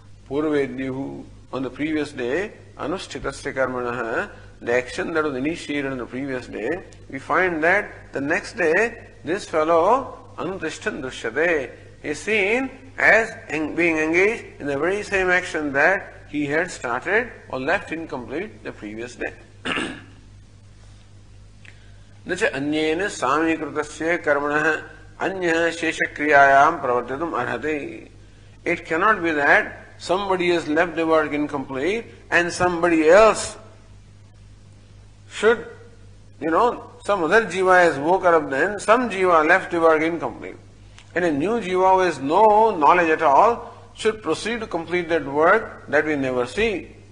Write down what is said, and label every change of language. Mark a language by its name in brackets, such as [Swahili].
[Sanskrit] Purvedyuhu, [English] on the previous day, [Sanskrit] anushtitasya karmanaha, [English] the action that was initiated on the previous day, we find that the next day, this fellow, [Sanskrit] anutishtan drishyate, [English] is seen as being engaged in the very same action that he had started or left incomplete the previous day. [Sanskrit] नचे अन्येन सामीकृतस्य कर्मणः अन्यः शेषक्रियायां प्रवर्तितुम् अर्हति. [English] It cannot be that somebody has left the work incomplete and somebody else should, you know, some other jiva has woke up then, some jiva left the work incomplete, and a new jiva who has no knowledge at all should proceed to complete that work that we never see.